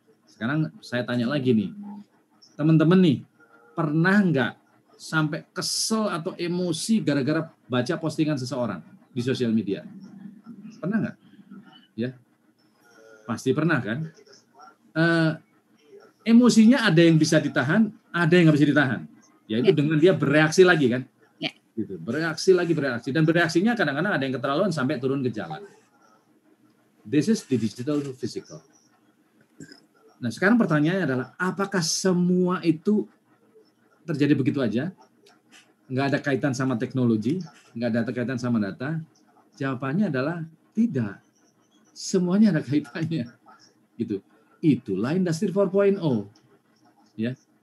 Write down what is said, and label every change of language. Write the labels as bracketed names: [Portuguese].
[Indonesian] Sekarang saya tanya lagi nih. Teman-teman nih, pernah nggak sampai kesel atau emosi gara-gara baca postingan seseorang di sosial media? Pernah nggak? Ya, pasti pernah kan? Emosinya ada yang bisa ditahan, ada yang nggak bisa ditahan. Yaitu ya, dengan dia bereaksi lagi kan? Ya. Gitu, bereaksi lagi, bereaksi. Dan bereaksinya kadang-kadang ada yang keterlaluan sampai turun ke jalan. [English] This is the digital to physical. [Indonesian] Nah, sekarang pertanyaannya adalah, apakah semua itu terjadi begitu aja? Nggak ada kaitan sama teknologi, nggak ada kaitan sama data? Jawabannya adalah tidak. Semuanya ada kaitannya. Gitu. Itulah industri 4.0. Ya.